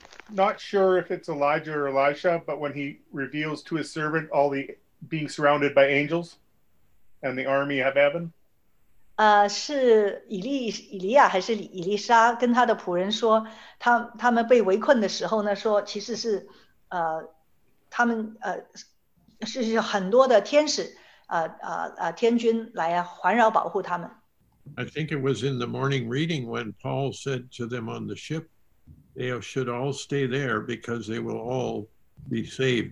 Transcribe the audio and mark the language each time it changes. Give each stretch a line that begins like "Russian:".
English: Not sure if it's Elijah or Elisha, but when he reveals to his servant all the being surrounded by angels and the army of heaven.
Chinese: 是以利亚还是以利沙跟他的仆人说，他们被围困的时候呢，说其实是他们是很多的天使。天军来环绕保护他们。
English: I think it was in the morning reading when Paul said to them on the ship, they should all stay there because they will all be saved.